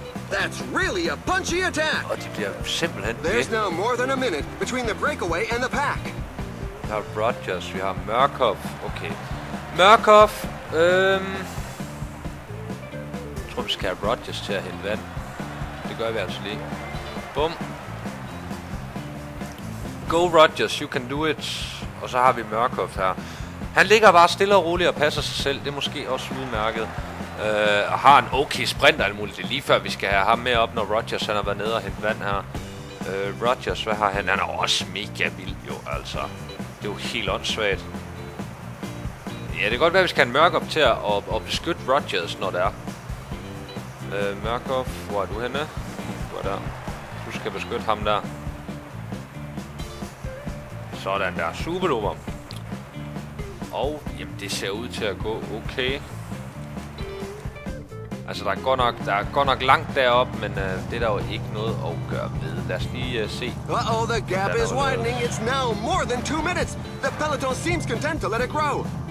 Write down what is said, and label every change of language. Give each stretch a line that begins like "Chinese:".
English: That's really a punchy attack.
Danish: Og de bliver simpelthen.
English: There's now more than a minute between the breakaway and the pack.
Danish: Vi har Rogers, vi har Murkoff. Okay. Murkoff. Jeg tror, vi skal have Rogers til at hælde vand. Det gør vi altså lige. Bum.
English: Go Rogers, you can do it.
Danish: Og så har vi Murkoff her. Han ligger bare stille og roligt og passer sig selv. Det er måske også udmærket. Og har en okay sprint og alt muligt. Det er lige før vi skal have ham med op, når Rogers han har været nede og hente vand her. Rodgers, hvad har han? Han er også mega vild, jo, altså. Det er jo helt åndssvagt. Ja, det kan godt være, at vi skal have en Murkoff til at beskytte Rodgers, når det er. Murkoff, hvor er du henne? Du er der. Du skal beskytte ham der. Sådan der, superduper. Og, jamen, det ser ud til at gå okay. Altså, der er godt nok langt derop, men det er der jo ikke noget at gøre ved. Lad os lige se.
English: Uh-oh, the gap is widening. It's now more than 2 minutes. The peloton seems content to let it grow.